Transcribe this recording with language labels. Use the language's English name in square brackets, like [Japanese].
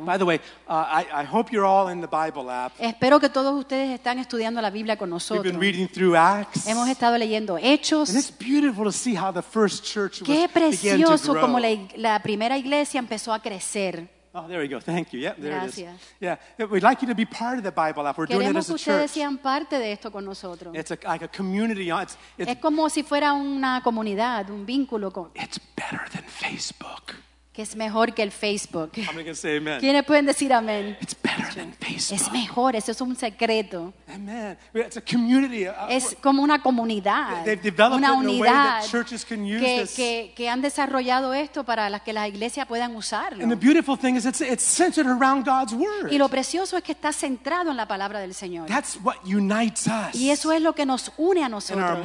[English] By the way, I hope you're all in the Bible app. [Spanish] Espero que todos ustedes están estudiando la Biblia con nosotros. [English] We've been reading through Acts. [Spanish] Hemos estado leyendo Hechos. [English] And it's beautiful to see how the first church [Spanish] qué precioso como la primera iglesia empezó a crecer. [English] Oh, there we go. Thank you. Yeah, there [Spanish] gracias. [English] It is. Yeah, we'd like you to be part of the Bible app. We're [Spanish] queremos [English] doing it as a church. [Spanish] Queremos que ustedes sean parte de esto con nosotros. [English] It's like a community. It's [Spanish] es como si fuera una comunidad, un vínculo con. [English] It's better than Facebook. [Spanish] Que es mejor que el Facebook. [English] I'm going to say amen. [Spanish] ¿Quiénes pueden decir amén? [English] It's better than Facebook. [Spanish] Es mejor, eso es un secreto. [English] Amen. It's a community. [Spanish] Es como una comunidad. [English] They've developed [Spanish] una unidad [English] that churches can use [Spanish] que han desarrollado esto para que las iglesias puedan usarlo. [English] And the beautiful thing is it's centered around God's word. [Spanish] Y lo precioso es que está centrado en la palabra del Señor. [English] That's what unites us. [Spanish] Y eso es lo que nos une a nosotros.